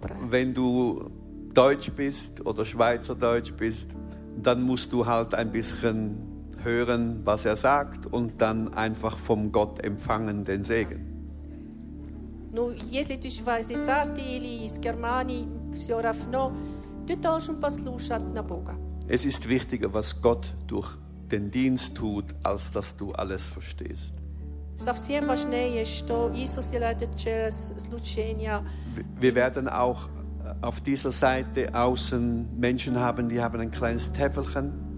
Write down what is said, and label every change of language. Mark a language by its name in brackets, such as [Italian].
[German] Wenn du Deutsch bist oder Schweizerdeutsch bist, dann musst du halt ein bisschen hören, was er sagt und dann einfach vom Gott empfangen den Segen. [Russian] Ну, если ты швейцарский или из Германии, все равно ты должен послушать на Бога. [German] Es ist wichtiger, was Gott durch den Dienst tut, als dass du alles verstehst. [Russian] Совсем важнее, что Иисус делает через служение. [German] Wir werden auch auf dieser Seite außen Menschen haben, die haben ein kleines Täfelchen.